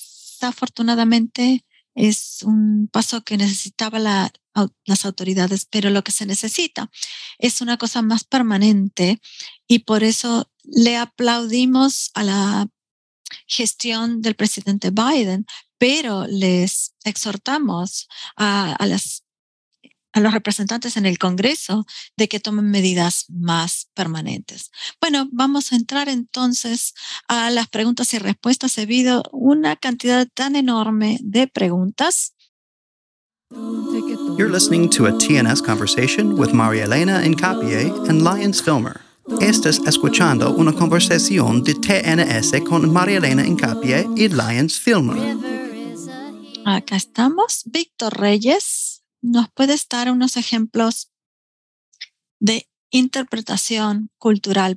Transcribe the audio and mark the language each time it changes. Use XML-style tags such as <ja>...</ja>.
<es>Desafortunadamente, es un paso que necesitaban las autoridades, pero lo que se necesita es una cosa más permanente, y por eso le aplaudimos a la gestión del presidente Biden, pero les exhortamos a los representantes en el Congreso de que tomen medidas más permanentes. Bueno, vamos a entrar entonces a las preguntas y respuestas. He habido una cantidad tan enorme de preguntas.</es> <en>You're listening to a TNS conversation with María Elena Incapié and Lyons Filmer.</en> <es>Estás escuchando una conversación de TNS con María Elena Incapié y Lyons Filmer. Acá estamos. Víctor Reyes, ¿nos puedes dar unos ejemplos de interpretación cultural?</es>